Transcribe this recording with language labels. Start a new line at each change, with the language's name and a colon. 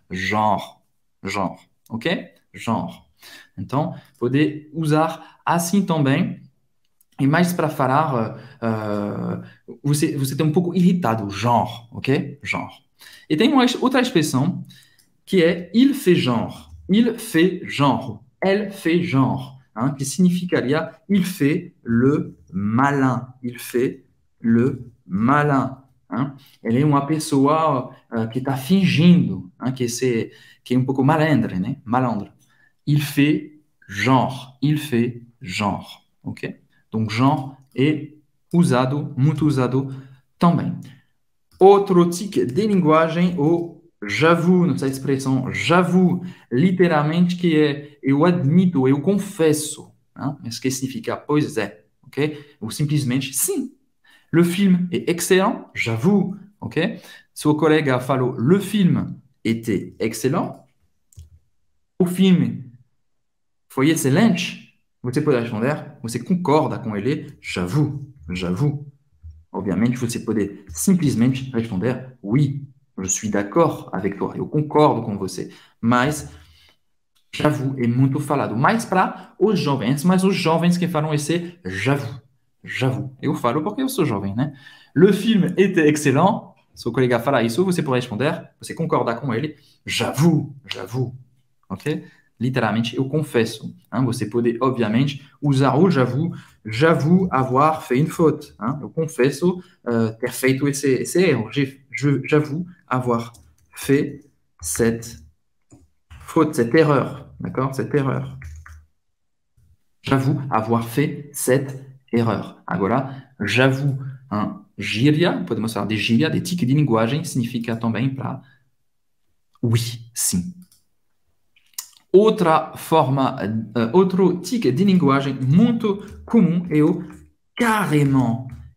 French: Genre. Genre. Ok? Genre.
Portuguese: Então, poder usar assim também. E mais para falar, você tem um pouco irritado. Genre. Ok? Genre. E tem uma outra expressão que é il fait genre.
French: Il fait genre. Elle fait genre. Hein,
Portuguese: que significaria
French: il fait le malin, il fait le malin.
Portuguese: Hein? Ele é uma pessoa que está fingindo, hein, que é um pouco malandre, né? Malandro.
French: Il fait genre, il fait genre, ok?
Portuguese: Donc genre é usado, muito usado também. Outro tic de linguagem, o j'avoue, nessa expressão j'avoue, literalmente que é eu admito, eu confesso. Hein? Mas que significa pois é? Okay? Ou simplesmente, sim,
French: le film est excellent, j'avoue.
Portuguese: Okay? Seu colega falou,
French: le film était excellent.
Portuguese: O filme foi excelente. Você pode responder, você concorda com ele, j'avoue, j'avoue. Obviamente, você pode simplesmente responder,
French: oui, je suis d'accord avec toi,
Portuguese: eu concordo com você. Mas, j'avoue, é muito falado. Mais para os jovens, mas os jovens que falam esse, j'avoue. J'avoue, eu falo porque eu sou jovem, né?
French: Le film était excellent.
Portuguese: Seu colega fala isso, você pode responder, você concorda com ele? J'avoue, j'avoue. Ok? Literalmente, eu confesso. Hein? Você pode, obviamente, usar o j'avoue,
French: j'avoue avoir fait une faute.
Portuguese: Hein? Eu confesso ter feito esse erro.
French: J'avoue avoir fait cette faute, cette erreur. D'accord? Cette erreur. J'avoue avoir fait cette erreur.
Portuguese: Agora, j'avoue, hein, gíria, podemos falar de gíria, de tique de linguagem, significa também para oui, sim. Outra forma, outro tique de linguagem muito comum é o carrément.